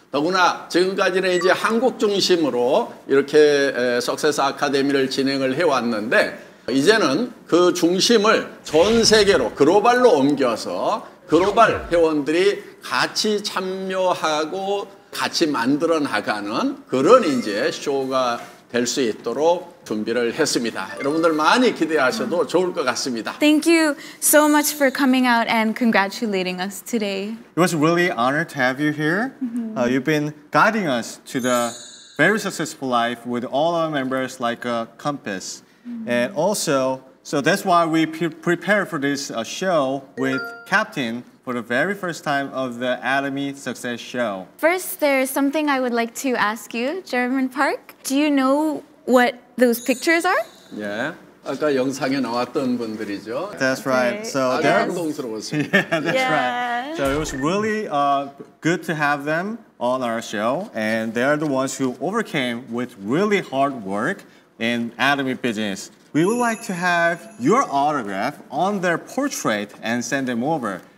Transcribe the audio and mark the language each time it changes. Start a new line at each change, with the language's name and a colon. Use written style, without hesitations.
Korean: 더구나 지금까지는 이제 한국 중심으로 이렇게 석세스 아카데미를 진행을 해왔는데 이제는 그 중심을 전 세계로 글로벌로 옮겨서 글로벌 회원들이 같이 참여하고 같이 만들어 나가는 그런 이제 쇼가 될 수 있도록 준비를 했습니다. 여러분들 많이 기대하셔도 좋을 것 같습니다.
English: Thank you so much for coming out and congratulating us today. It was really an honor to have you here. Mm-hmm. You've been guiding us to the very successful life with all our members like a compass. Mm-hmm. And also, so that's why we prepared for this show with Captain for the very first time of the Atomy Success Show. First, there's something I would like to ask you, Chairman Park. Do you know what those pictures are? Yeah.
Korean: 아까 영상에 나왔던 분들이죠.
English: That's right. Okay. So they're handsome. Yeah, that's right. So it was really good to have them on our show, and they are the ones who overcame with really hard work in Atomy business. We would like to have your autograph on their portrait and send them over.